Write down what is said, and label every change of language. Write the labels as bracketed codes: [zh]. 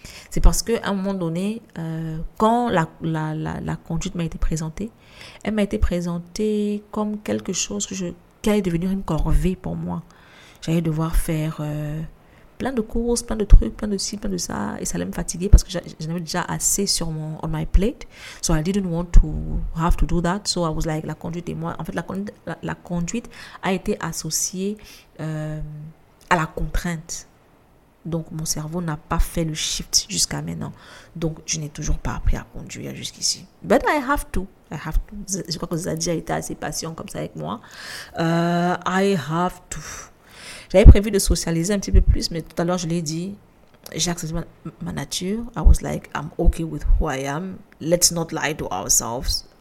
[fr] C'est parce qu'à un moment donné, quand la conduite m'a été présentée, elle m'a été présentée comme quelque chose qui allait devenir une corvée pour moi. J'allais devoir faire plein de courses, plein de trucs, plein de ci, plein de ça. Et ça allait me fatiguer parce que j'en avais déjà assez sur [en] on my plate. So I didn't want to have to do that. So I was like, [fr] la conduite et moi. En fait, la conduite a été associée à la contrainte. Donc, mon cerveau n'a pas fait le shift jusqu'à maintenant. Donc, je n'ai toujours pas appris à conduire jusqu'ici. [en] But I have to. I have to. [fr] Je crois que Zadie a été assez patient comme ça avec moi. [en] I have to. [fr] J'avais prévu de socialiser un petit peu plus, mais tout à l'heure, je l'ai dit, j'ai accepté ma nature. [en] I was like, I'm okay with who I am. Let's not lie to ourselves.